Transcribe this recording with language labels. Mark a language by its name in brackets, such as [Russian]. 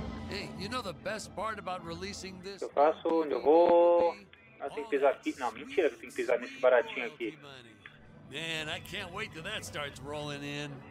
[English] Hey, you know the best part about releasing this? [Portuguese] O que eu faço? Onde eu vou? Ah, tem que pisar aqui. Não, mentira que tem que pisar nesse baratinho aqui. [English] Man, I can't wait till that starts rolling in.